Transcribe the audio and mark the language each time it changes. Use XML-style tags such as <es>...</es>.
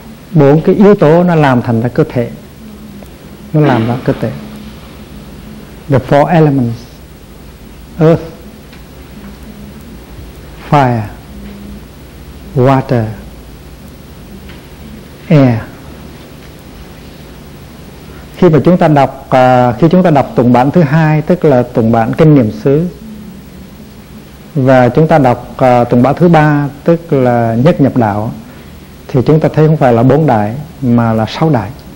<vi>Bốn cái yếu tố nó làm thành ra cơ thể, nó làm ra cơ thể.</vi> <en>The four elements: earth, fire, water, air.</en> <vi>Khi mà chúng ta đọc tụng bản thứ hai, tức là tụng bản kinh niệm xứ, và chúng ta đọc tụng bản thứ ba, tức là nhất nhập đạo, thì chúng ta thấy không phải là bốn đại mà là sáu đại.</vi>